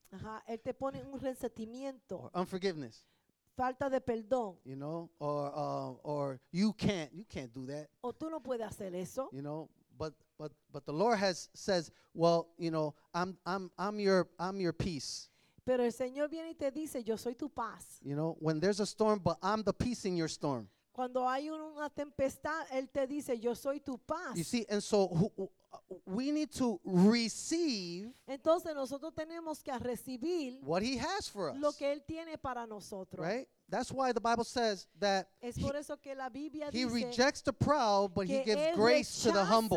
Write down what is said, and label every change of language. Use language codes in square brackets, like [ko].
[es] Ajá, él te pone un resentimiento. [en] Or unforgiveness. [es] Falta de perdón. [en] You know, or you can't do that. [es] O tú no puedes hacer eso. [en] You know, but the Lord says, well, you know, I'm your peace. [es] Pero el Señor viene y te dice, yo soy tu paz. [en] You know, when there's a storm, but I'm the peace in your storm. [es] Cuando hay una tempestad, él te dice, yo soy tu paz. [en] You see, and so we need to receive. [es] Entonces nosotros tenemos que recibir [en] what he has for us. [es] Lo que él tiene para nosotros. [en] Right? That's why the Bible says that [es] es por eso que la Biblia [en] he [es] dice [en] rejects the proud, but he gives grace to the humble.